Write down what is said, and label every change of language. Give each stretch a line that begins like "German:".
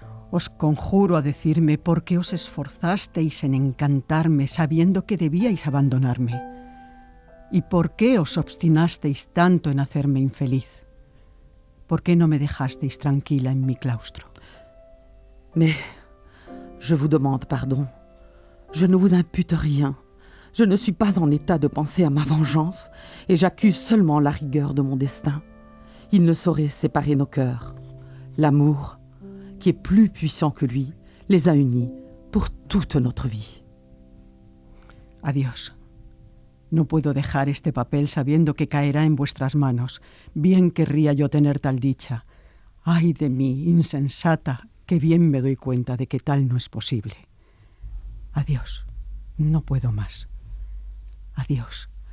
Spanish: Os conjuro a decirme por qué os esforzasteis en encantarme sabiendo que debíais abandonarme. ¿Y por qué os obstinasteis tanto en hacerme infeliz? ¿Por qué no me dejasteis tranquila en mi claustro?
French: Mais je vous demande pardon. Je ne vous impute rien. Je ne suis pas en état de penser à ma vengeance et j'accuse seulement la rigueur de mon destin. Il ne saurait séparer nos cœurs. L'amour, qui est plus puissant que lui, les a unis pour toute notre vie.
Spanish: Adiós. No puedo dejar este papel sabiendo que caerá en vuestras manos. Bien querría yo tener tal dicha. Ay de mí, insensata, que bien me doy cuenta de que tal no es posible. Adiós. No puedo más. Adiós.